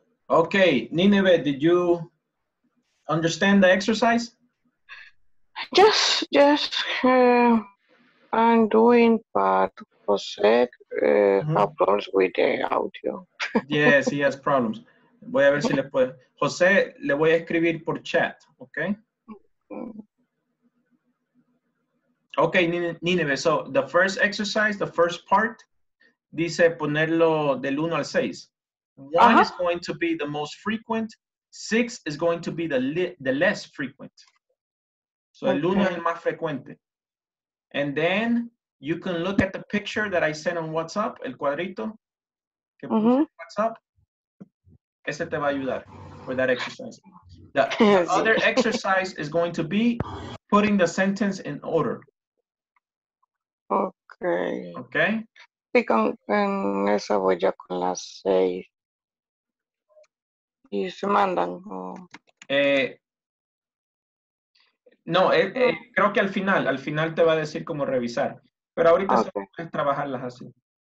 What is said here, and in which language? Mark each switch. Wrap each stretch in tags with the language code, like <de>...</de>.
<en>Okay, Nineveh, did you understand the exercise? I'm doing, but Jose has problems with the audio. Yes, he has problems.</en> <es>Voy a ver si le puedo. Jose, le voy a escribir por chat, ¿ok?</es> <en>Ok, Nineveh, so the first exercise, the first part,</en> <es>dice ponerlo del 1 al 6.</es> <en>1 is going to be the most frequent, 6 is going to be the less frequent. So okay.</en> <es>El 1 es el más frecuente.</es> <en>And then you can look at the picture that I sent on WhatsApp,</en> <es>el cuadrito que puse en WhatsApp. Ese te va a ayudar.</es> <en>for that exercise. The other exercise is going to be putting the sentence in order. Okay. Okay.</en> <es>Y con en esa voy ya con las seis. Y se mandan. Oh. Creo que al final te va a decir cómo revisar. Pero ahorita okay. Solo puedes trabajarlas así.</es>